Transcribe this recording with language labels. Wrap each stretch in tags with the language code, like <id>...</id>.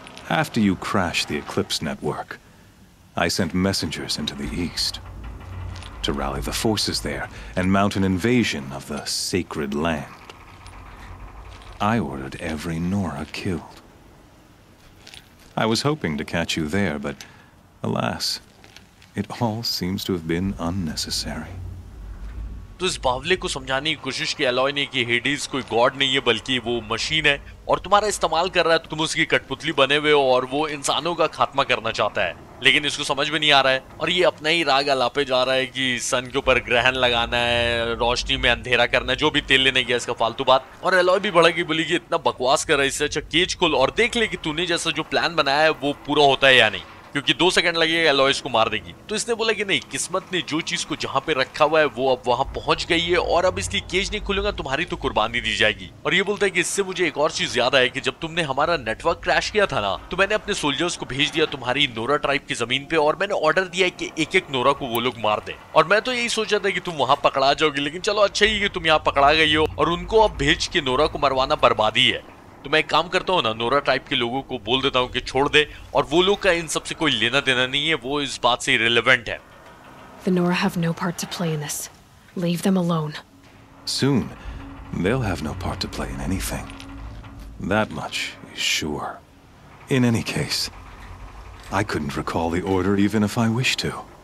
<en>After you crashed the Eclipse Network, I sent messengers into the east to rally the forces there and mount an invasion of the sacred land. I ordered every Nora killed. I was hoping to catch you there, but alas, it all seems to have been unnecessary.</en> <hi>तो इस बावले को समझाने की कोशिश की alloy ने कि Hades कोई गॉड नहीं है बल्कि वो मशीन है और तुम्हारा इस्तेमाल कर रहा है तो तुम उसकी कठपुतली बने हुए हो और वो इंसानों का खात्मा करना चाहता है लेकिन इसको समझ में नहीं आ रहा है और ये अपना ही राग अलापे जा रहा है कि सन के ऊपर ग्रहण लगाना है रोशनी में अंधेरा करना है जो भी तेल लेने गया इसका फालतू बात और एलॉय भी बड़ा की बोली कि इतना बकवास कर रहा है इससे अच्छा केज खोल और देख ले कि तूने जैसा जो प्लान बनाया है वो पूरा होता है या नहीं क्योंकि 2 सेकंड लगेगा एलॉय इसको मार देगी तो इसने बोला कि नहीं किस्मत ने जो चीज को जहां पे रखा हुआ है वो अब वहां पहुंच गई है और अब इसकी केज नहीं खुलेगा तुम्हारी तो कुर्बानी दी जाएगी और ये बोलता है कि इससे मुझे एक और चीज याद आया कि जब तुमने हमारा नेटवर्क क्रैश किया था ना तो मैंने अपने सोल्जर्स को भेज दिया तुम्हारी नोरा ट्राइब की जमीन पे और मैंने ऑर्डर दिया कि एक एक नोरा को वो लोग मार दे और मैं तो यही सोच रहा था कि तुम वहां पकड़ा जाओगी लेकिन चलो अच्छा ही कि तुम यहां पकड़ा गई हो और उनको अब भेज के नोरा को मरवाना बर्बादी है तो मैं एक काम करता हूँ ना नोरा टाइप के लोगों को बोल देता हूँ कि छोड़ दे और वो लोग का इन सब से कोई लेना देना नहीं है वो इस बात से इरेलेवेंट है</hi> <en>The Nora have no part to play in this. Leave them alone. Soon, they'll have no part to play in anything. That much is sure. In any case, I couldn't recall the order even if I wished to.</en>